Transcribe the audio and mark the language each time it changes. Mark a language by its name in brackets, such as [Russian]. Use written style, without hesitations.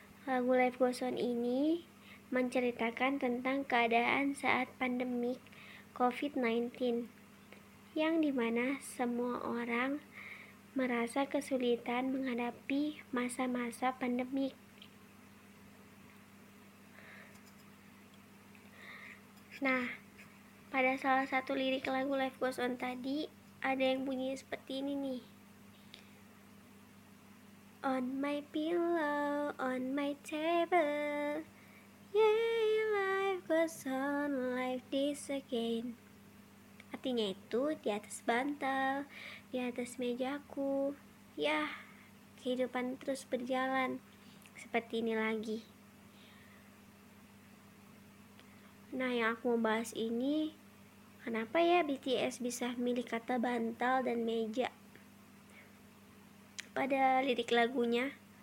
[Indonesian] Lagu Life Goes On ini menceritakan tentang keadaan saat pandemik COVID-19, yang dimana semua orang merasa kesulitan menghadapi masa-masa pandemik. Nah, pada salah satu lirik lagu Life Goes On tadi, ada yang bunyi seperti ini nih. [English] On my pillow, on my table, yeah, life goes on, life this again. [Indonesian] Artinya itu, di atas bantal, di atas mejaku, ya, kehidupan terus berjalan seperti ini lagi. Nah, yang aku mau bahas ini, kenapa ya BTS bisa milih kata bantal dan meja pada lirik lagunya?